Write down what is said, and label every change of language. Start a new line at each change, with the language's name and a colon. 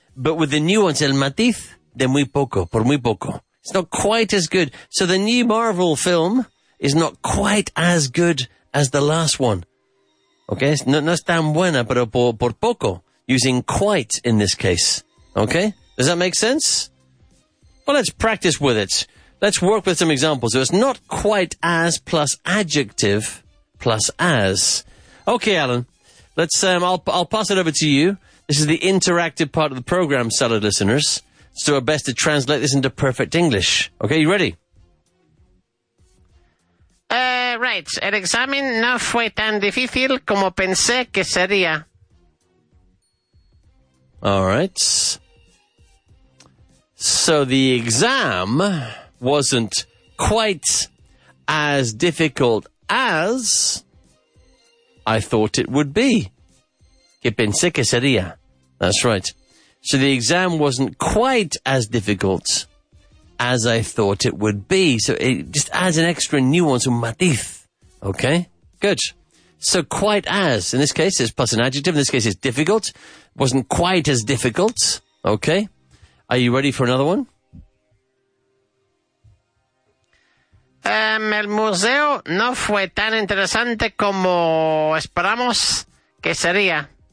English: But with the nuance,
Spanish: el matiz de muy poco,
English: por muy poco. It's not quite as good. So the new Marvel film is not quite as good as the last one. Okay?
Spanish: No es tan buena, pero por poco.
English: Using quite in this case. Okay? Does that make sense? Well, let's practice with it. Let's work with some examples. So it's not quite as plus adjective plus as. Okay, Alan. I'll pass it over to you. This is the interactive part of the program, salad listeners. Let's do our best to translate this into perfect English. Okay, you ready? Right. right.
Spanish: El examen no fue tan difícil como pensé que sería.
English: All right. So the exam wasn't quite as difficult as I thought it would be.
Spanish: Que pensé que sería.
English: That's right. So the exam wasn't quite as difficult as I thought it would be. So it just adds an extra nuance,
Spanish: un matiz.
English: Okay, good. So quite as, in this case, it's plus an adjective. In this case, it's difficult. Wasn't quite as difficult. Okay, are you ready for another one?
Spanish: El museo no fue tan interesante como esperamos que sería.